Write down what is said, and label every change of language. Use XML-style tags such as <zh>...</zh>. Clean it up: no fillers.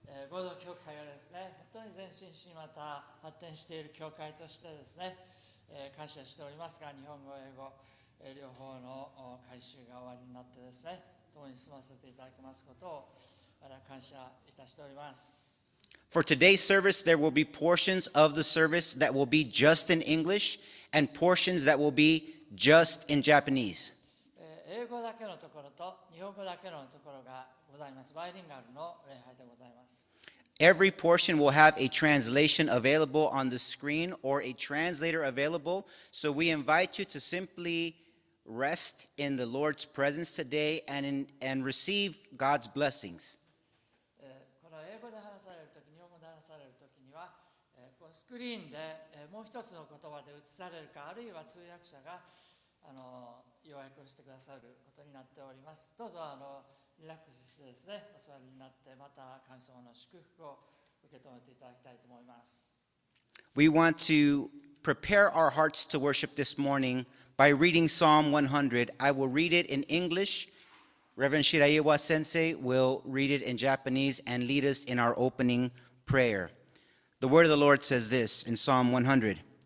<ja>この合同教会はですね、本当に前進しまた発展している教会としてですね、感謝しておりますが、日本語、英語、両方の改修が終わりになってですね、共に済ませていただきますことを、感謝いたしております。</ja> <en>For today's service, there will be portions of the service that will be just in English and portions that will be just in Japanese.</en> <ja>英語だけのところと日本語だけのところがございます。バイリンガルの礼拝でございます。</ja> <en>Every portion will have a translation available on the screen or a translator available. So we invite you to simply rest in the Lord's presence today and receive God's blessings.</en> <ja>この英語で話されるとき、日本語で話されるときには、スクリーンでもう一つの言葉で映されるか、あるいは通訳者が要約してくださることになっております。どうぞリラックスしてですね、お座りになって、また神様の祝福を受け止めていただきたいと思います。</ja> <en>We want to prepare our hearts to worship this morning by reading Psalm 100. I will read it in English. Reverend Shiraiwa Sensei will read it in Japanese and lead us in our opening prayer. The word of the Lord says this in Psalm 100.</en>